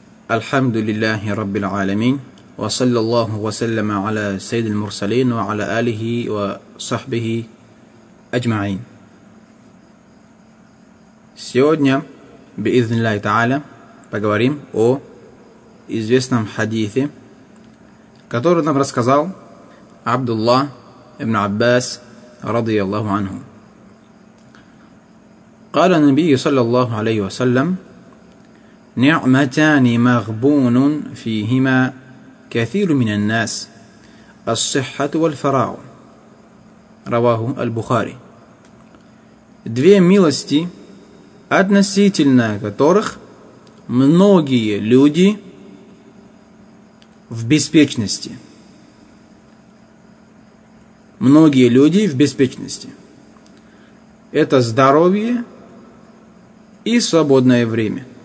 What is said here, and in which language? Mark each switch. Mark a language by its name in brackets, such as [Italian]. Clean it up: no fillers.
[Arabic] الحمد لله رب العالمين وصلى الله وسلم على سيد المرسلين وعلى آله وصحبه أجمعين. [Russian] Сегодня, [Arabic] بإذن الله تعالى, [Russian] поговорим о известном хадисе, который нам рассказал Абдуллах ибн Аббас [Arabic] رضي الله عنه. قال النبي صلى الله عليه وسلم نعمتان مغبون فيهما كثير من الناس الصحة والفراغ رواه البخاري. [Russian] Две милости, относительно которых многие люди в беспечности. Многие люди в беспечности. Это здоровье и свободное время.